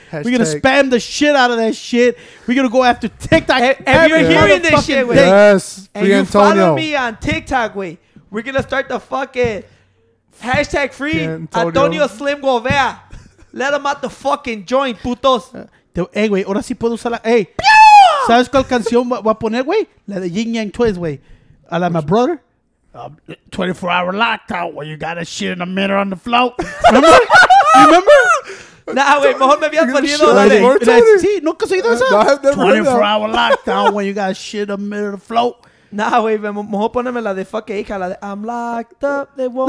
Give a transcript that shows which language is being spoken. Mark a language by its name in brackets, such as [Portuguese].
[English] We're going to spam the shit out of that shit. We're going to go after TikTok. And you're hearing this shit, way. Yes, free Antonio. And you follow me on TikTok, way. We're going to start the fucking hashtag free Antonio Slim Govea. Let them out the fucking joint, putos. [Spanish] Hey, güey, ahora sí puedo usar la... Hey, ¿sabes cuál canción va a poner, güey? La de Yin Yang Twins, güey. A la, [English] my brother. 24-hour lockdown, where you got a shit in a minute on the float. Remember? Remember? [Spanish] Nah, güey, mejor me habías poniendo la de... Sí, ¿nunca has oído esa? [English] No, I've never heard that. 24-hour lockdown, where you got a shit in a minute on the float. [Spanish] Nah, güey, mejor poneme la de fucking hija, la de [English] I'm locked up, they won't